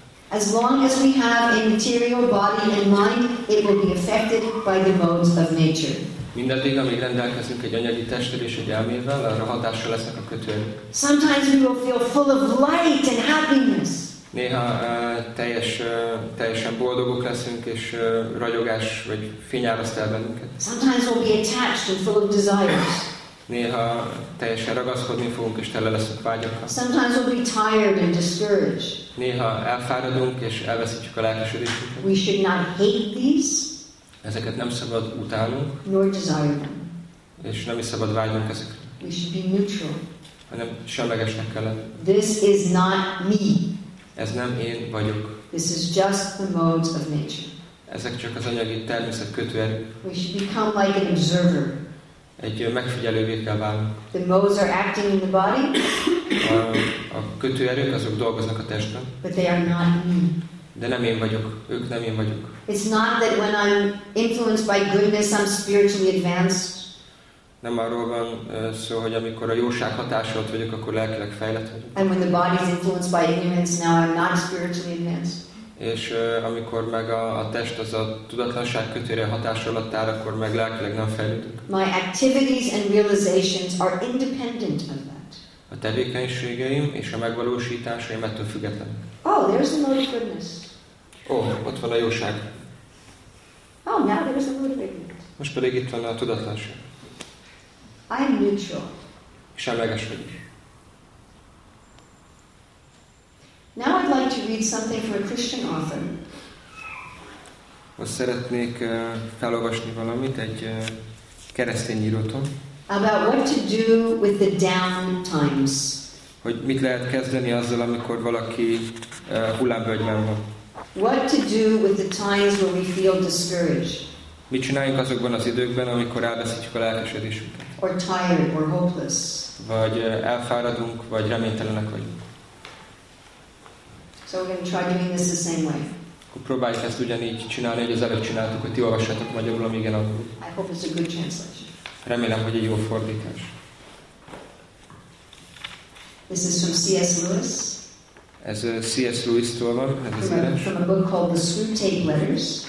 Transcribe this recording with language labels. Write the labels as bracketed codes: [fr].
[en] As long as we have a material body and mind, it will be affected by the modes of nature. [hu] Mindaddig, amíg rendelkezünk egy anyagi testtel és egy elmével, arra hatással lesznek a kötőnk. [en] Sometimes we will feel full of light and happiness. [hu] Néha teljesen boldogok leszünk és ragyogás vagy fény áraszt el bennünket. [en] Sometimes we'll be attached and full of desires. [hu] Néha teljesen ragaszkodni fogunk és tele leszünk vágyakkal. [en] Sometimes we'll be tired and discouraged. [hu] Néha elfáradunk és elveszítjük a lelkesedésünket. [en] We should not hate these. [hu] Ezeket nem szabad utálnunk. [en] Nor desire them. [hu] És nem is szabad vágynunk ezeket. [en] We should be neutral. [hu] Hanem semlegesnek kell lenni. [en] This is not me. [hu] Ez nem én vagyok. [en] This is just the modes of nature. [hu] Ezek csak az anyagi természet kötőerő. [en] We should become like an observer. [hu] Egy megfigyelővé kell válnunk. [en] The modes are acting in the body. [hu] A kötőerők azok dolgoznak a testben. [en] But they are not me. [hu] De nem én vagyok. Ők nem én vagyok. [en] It's not that when I'm influenced by goodness, I'm spiritually advanced. [hu] Nem arról van szó, hogy amikor a jóság hatása alatt vagyok, akkor lelkileg fejlett vagyok. [en] And when the body is influenced by ignorance, now I'm not spiritually advanced. [hu] És amikor meg a test az a tudatlanság kötőre hatása alatt áll, akkor meg lelkileg nem fejlődök. [en] My activities and realizations are independent of that. [hu] A tevékenységeim és a megvalósításaim ettől függetlenek. [en] Oh, there's the mode of goodness. [hu] Oh, ott van a jóság. [en] Oh, now there's a mode of ignorance. [hu] Most pedig itt van a tudatlanság. [en] I'm neutral. [hu] Semleges vagyok. [en] Now I'd like to read something from a Christian author. [hu] Most szeretnék felolvasni valamit egy keresztény írótól. [en] About what to do with the down times. [hu] Hogy mit lehet kezdeni azzal, amikor valaki hullámvölgyben van. [en] What to do with the times when we feel discouraged. [hu] Mit csináljunk azokban az időkben, amikor elveszítjük a lelkesedésünket. [en] Or tired or hopeless. [hu] Vagy elfáradunk, vagy reménytelenek vagyunk. [en] So we're going to try doing this the same way. [hu] Akkor próbáljuk ezt ugyanígy csinálni, hogy az előbb csináltuk, hogy ti olvassátok magyarul, amíg én angolul. [en] I hope it's a good translation. [hu] Remélem, hogy egy jó fordítás. [en] This is from C.S. Lewis. [hu] Ez C.S. Lewis-tól van, ez az írás. [en] From a book called The Screwtape Letters.